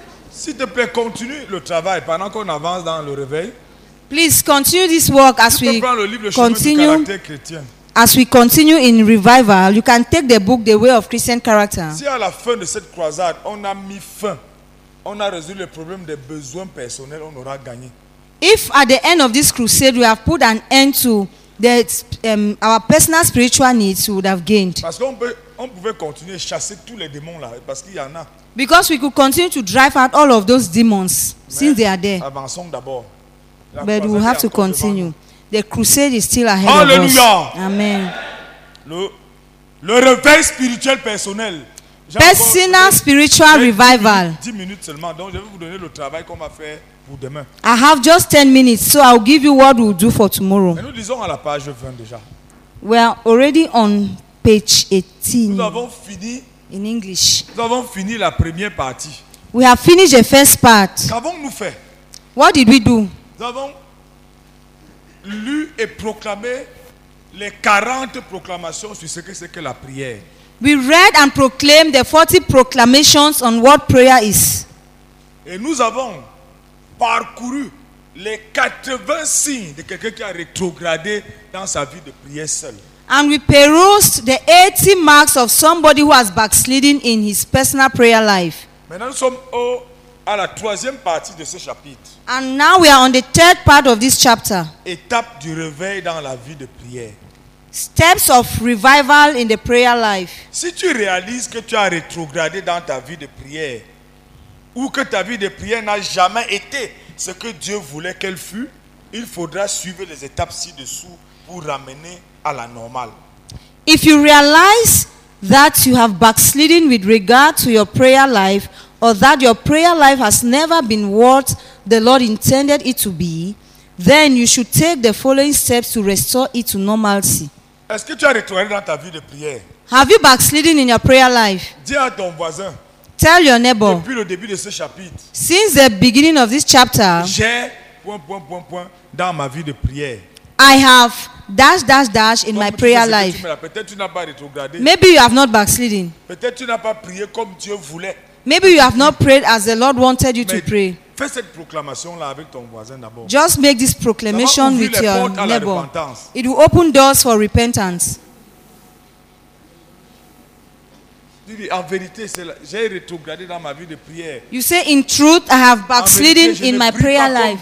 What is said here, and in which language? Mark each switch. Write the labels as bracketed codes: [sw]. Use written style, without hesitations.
[fr] S'il te plaît, continue le travail pendant qu'on avance dans le réveil. [en] Please continue this work as [fr] tu [en] we [fr] le livre, le continue. Chemin du caractère chrétien. [en] As we continue in revival, you can take the book The Way of Christian Character. [fr] Si à la fin de cette croisade, on a mis fin. On a résolu le problème des besoins personnels, on aura gagné. [en] If at the end of this crusade we have put an end to our personal spiritual needs, we would have gained. [fr] Parce qu'on peut, on pouvait continuer à chasser tous les démons là, parce qu'il y en a. [en] Because we could continue to drive out all of those demons [fr] mais [en] since they are there. [fr] Avançons d'abord. [en] But we have to continue. The crusade is still ahead Alleluia. Of us. Amen. [fr] Le réveil spirituel personnel. [en] Personal spiritual revival. [fr] 10 minutes seulement. Donc je vais vous donner le travail qu'on va faire pour demain. [en] I have just 10 minutes, so I'll give you what we'll do for tomorrow. [fr] Mais nous lisons à la page 20 déjà. [en] We are already on page 18. [fr] Nous avons fini. [en] In English. [fr] Nous avons fini la première partie. [en] We have finished the first part. [fr] Qu'avons-nous fait? [en] What did we do? [fr] Nous avons lu et proclamé les 40 proclamations sur ce que c'est que la prière. [en] We read and proclaimed the 40 proclamations on what prayer is. [fr] Et nous avons parcouru les 80 signes de quelqu'un qui a rétrogradé dans sa vie de prière seule. [en] And we perused the 80 marks of somebody who has backslidden in his personal prayer life. [fr] Maintenant, nous sommes à la troisième partie de ce chapitre. [en] And now we are on the third part of this chapter. [fr] Étape du réveil dans la vie de prière. [en] Steps of revival in the prayer life. [fr] Si tu réalises que tu as rétrogradé dans ta vie de prière, ou que ta vie de prière n'a jamais été ce que Dieu voulait qu'elle fût, il faudra suivre les étapes ci-dessous pour ramener à la normale. [en] If you realize that you have backslidden with regard to your prayer life, or that your prayer life has never been what the Lord intended it to be, then you should take the following steps to restore it to normalcy. [fr] Est-ce que tu as retourné dans ta vie de prière? [en] Have you backslidden in your prayer life? [fr] Dis à ton voisin. [en] Tell your neighbor. [fr] Depuis le début de ce chapitre. [en] Since the beginning of this chapter. [fr] J'ai point point point point dans ma vie de prière. [en] I have dash dash dash in my prayer life. [fr] Peut-être tu n'as pas retrogradé. [en] Maybe you have not backslidden. [fr] Peut-être tu n'as pas prié comme Dieu voulait. [en] Maybe you have not prayed as the Lord wanted you [fr] Mais [en] to pray. [fr] Fais cette proclamation là avec ton voisin d'abord. [en] Just make this proclamation with your neighbor. It will open doors for repentance. [fr] En vérité, j'ai rétrogradé dans ma vie de prière. [en] You say in truth I have backslidden in my prayer life.